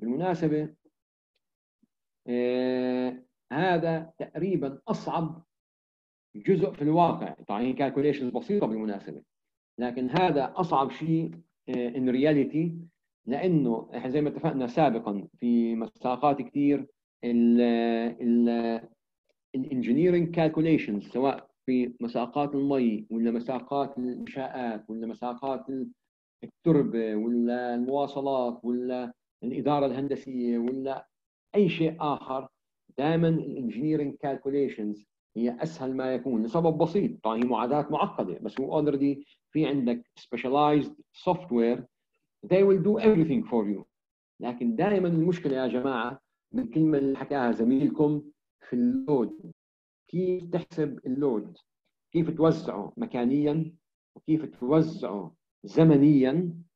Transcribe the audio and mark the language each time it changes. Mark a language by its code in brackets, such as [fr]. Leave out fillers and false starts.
[ar] بالمناسبة هذا تقريبا أصعب جزء في الواقع، طبعا هي calculations بسيطة بالمناسبة، لكن هذا أصعب شيء [en] in reality، [ar] لأنه إحنا زي ما اتفقنا سابقا في مساقات كثير ال engineering calculations سواء في مساقات المي ولا مساقات الإنشاءات ولا مساقات التربة ولا المواصلات ولا الإدارة الهندسية ولا أي شيء آخر، دائما ال engineering calculations هي أسهل ما يكون لسبب بسيط. طبعا هي معادلات معقدة، بس هو already في عندك specialized software [en] they will do everything for you. [ar] لكن دائما المشكلة يا جماعة بالكلمة اللي حكاها زميلكم في اللود، كيف تحسب اللود، كيف توزعه مكانيا وكيف توزعه زمنيا.